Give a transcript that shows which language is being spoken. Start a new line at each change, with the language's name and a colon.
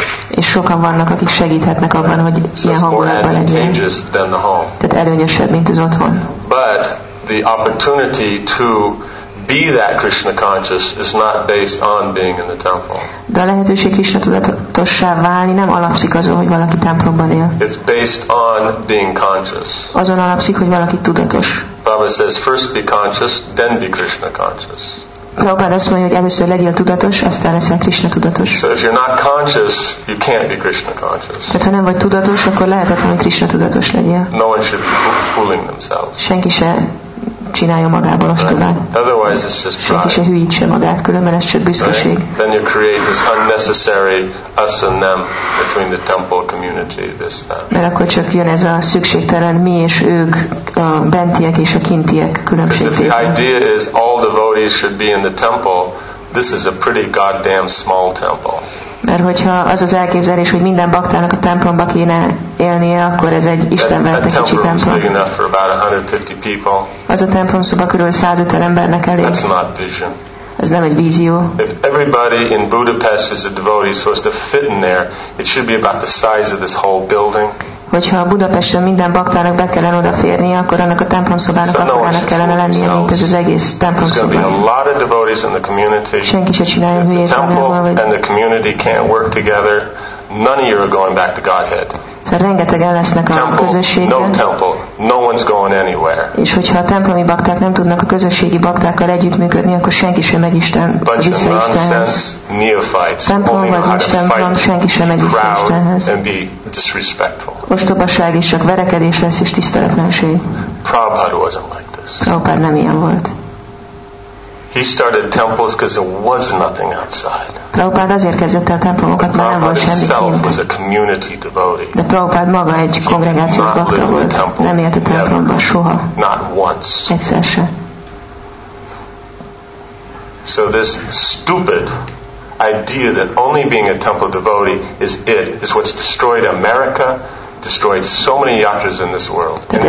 Hungarian: És sokan vannak, akik segíthetnek abban, hogy ilyen hangulatban legyen. Tehát előnyösebb, mint az otthon.
English: But the opportunity to be that Krishna conscious is not based on being in the temple.
Hungarian: De a lehetőség Krishna tudatossá válni nem alapszik azon, hogy valaki templomban él.
English: It's based on being conscious.
Hungarian: Azon alapszik, hogy valaki tudatos.
English: Prabhupada says, first be conscious, then be Krishna conscious.
Hungarian: Prabhupada azt mondja, hogy először legyél tudatos, aztán leszel Krishna tudatos.
English: So if you're not conscious, you can't be Krishna conscious.
Hungarian: Tehát ha nem vagy tudatos, akkor lehetetlen, hogy Krishna tudatos legyél.
English: No one should be fooling themselves.
Hungarian: Senki se csinálja magából ostobát.
English: Otherwise it's just pride.
Hungarian: Senki se hülyítse magát, különben ez csak büszkeség.
English: Right? Then you create this unnecessary us and them between the temple community, this that.
Hungarian: Mert akkor csak jön ez a szükségtelen mi és ők, a bentiek és a kintiek különbség.
English: The idea is all devotees should be in the temple. This is a pretty goddamn small temple.
Hungarian: Mert hogyha az az elképzelés, hogy minden baktának a templomba kéne élnie, akkor ez egy istenverte kicsi templom.
English: That temple is big enough for about 150 people.
Hungarian: Az a templom szoba körül 150 embernek elég.
English: That's not vision.
Hungarian: Ez nem egy vízió.
English: If everybody in Budapest is a devotee, is supposed to fit in there, it should be about the size of this whole building.
Hungarian: Hogyha Budapesten minden baktának be kellene odaférni, akkor annak a templomszobának akkorának kellene lennie, mint ez az egész templomszoba. Senki se csinálja hülyét magával, vagy...
English: And the community can't work together. None of you are going back to Godhead.
Hungarian: Szóval rengetegen lesznek a közösségben.
English: No temple, no one's going anywhere.
Hungarian: És hogyha a templomi bakták nem tudnak a közösségi baktákkal együttműködni, akkor senki sem megy Isten, vissza Istenhez. Templom vagy nincs templom, senki sem megy vissza Istenhez.
English: And be disrespectful.
Hungarian: Ostobaság is csak verekedés lesz és tiszteletlenség.
English: Prabhupada wasn't like this.
Hungarian: Prabhupada nem ilyen volt.
English: He started temples because there was nothing outside.
Hungarian: Prabhupada azért kezdett el templomokat, mert nem volt semmi kint.
English: Was a community devotee.
Hungarian: De Prabhupada maga egy kongregációs bakta volt. Nem élt a templomban soha.
English: Not once.
Hungarian: Egyszer se.
English: So this stupid idea that only being a temple devotee is it is what's destroyed America, destroyed so many yatras in this world.